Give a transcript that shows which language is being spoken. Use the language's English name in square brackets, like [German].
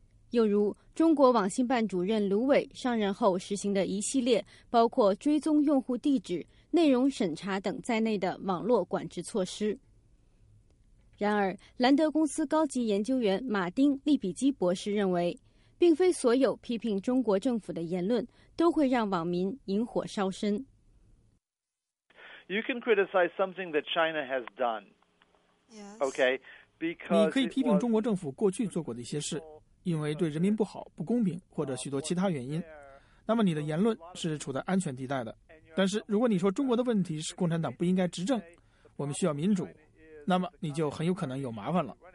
[Chinese] 又如中国网信办主任卢伟上任后实行的一系列包括追踪用户地址、内容审查等在内的网络管制措施。然而，兰德公司高级研究员马丁·利比基博士认为，并非所有批评中国政府的言论都会让网民引火烧身。 [English] You can criticize something that China has done. Yes. Okay. Because [Chinese] 你可以批评中国政府过去做过的一些事，因为对人民不好、不公平或者许多其他原因，那么你的言论是处在安全地带的。但是如果你说中国的问题是共产党不应该执政，我们需要民主，那么你就很有可能有麻烦了。